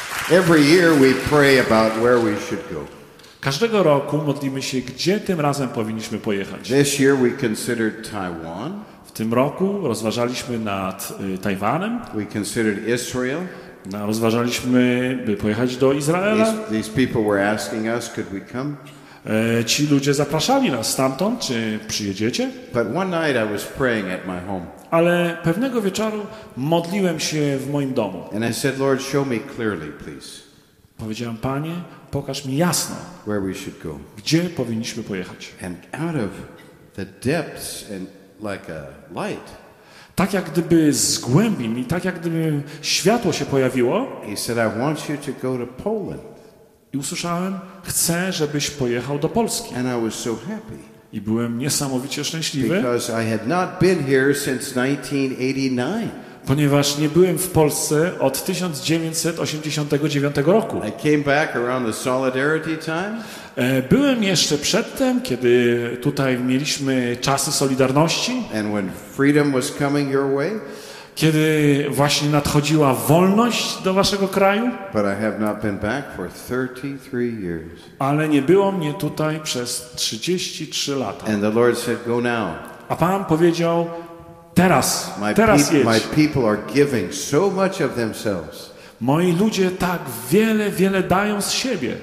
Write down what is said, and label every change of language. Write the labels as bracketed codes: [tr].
[en] Every year we pray about where we should go. [pl] Każdego roku modlimy się, gdzie tym razem powinniśmy pojechać. [en] This year we considered Taiwan. [pl] W tym roku rozważaliśmy nad Tajwanem. [en] We considered Israel. [pl] No, rozważaliśmy, by pojechać do Izraela. [en] These people were asking us, could we come? [pl] Ci ludzie zapraszali nas stamtąd, czy przyjedziecie? [en] But one night I was praying at my home. [pl] Ale pewnego wieczoru modliłem się w moim domu. [en] And I said, Lord, show me clearly, please. [pl] Powiedziałem, Panie, pokaż mi jasno, [en] where we should go. [pl] Gdzie powinniśmy pojechać. [en] And out of the depths and like a light. [pl] Tak jak gdyby z głębin i tak jak gdyby światło się pojawiło. [en] He said, I want you to go to Poland. [pl] I usłyszałem, chcę, żebyś pojechał do Polski. [en] And I was so happy. [pl] I byłem niesamowicie szczęśliwy. [en] Because I had not been here since 1989. [pl] Ponieważ nie byłem w Polsce od 1989 roku. [en] I came back around the solidarity time. [pl] Byłem jeszcze przedtem, kiedy tutaj mieliśmy czasy Solidarności. [en] And when freedom was coming your way. [pl] Kiedy właśnie nadchodziła wolność do waszego kraju. [en] But I have not been back for 33 years. [pl] Ale nie było mnie tutaj przez 33 lata. [en] And the Lord said, go now. [pl] A Pan powiedział, teraz jedź. [en] My people are giving so much of themselves. [pl] Moi ludzie tak wiele, wiele dają z siebie.